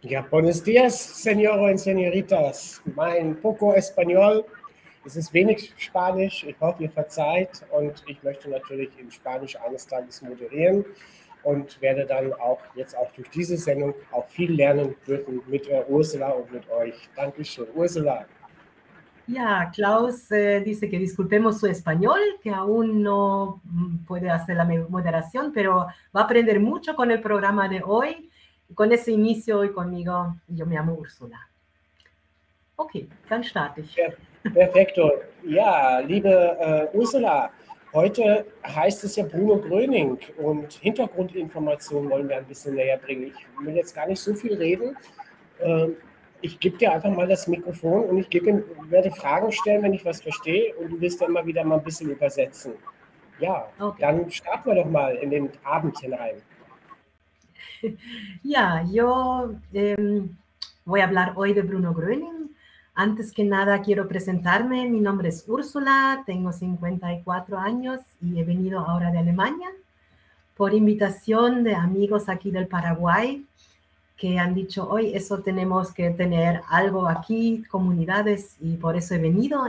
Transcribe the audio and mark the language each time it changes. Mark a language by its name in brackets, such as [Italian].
[Spanish] Buenos días, señores y señoritas. [German] Mein [Spanish] poco español. [German] Es ist wenig Spanisch. Ich hoffe, ihr verzeiht. Und ich möchte natürlich in Spanisch eines Tages moderieren und werde dann auch jetzt auch durch diese Sendung auch viel lernen dürfen mit Ursula und mit euch. Dankeschön, Ursula. [Spanish] Ja, Klaus dice que disculpemos su español, que aún no puede hacer la moderación, pero va a aprender mucho con el programa de hoy. Con ese inicio hoy conmigo, yo me llamo Ursula. [German] Okay, dann starte ich. [Spanish] Perfecto. [German] Ja, liebe Ursula, heute heißt es ja Bruno Gröning und Hintergrundinformationen wollen wir ein bisschen näher bringen. Ich will jetzt gar nicht so viel reden. Ich gebe dir einfach mal das Mikrofon und werde Fragen stellen, wenn ich was verstehe und du wirst dann mal wieder mal ein bisschen übersetzen. Ja, okay. Dann starten wir doch mal in den Abend hinein. [Spanish] Ya, yo voy a hablar hoy de Bruno Gröning. Antes que nada quiero presentarme, mi nombre es Úrsula, tengo 54 años y he venido ahora de Alemania por invitación de amigos aquí del Paraguay que han dicho, hoy eso tenemos que tener algo aquí, comunidades, y por eso he venido.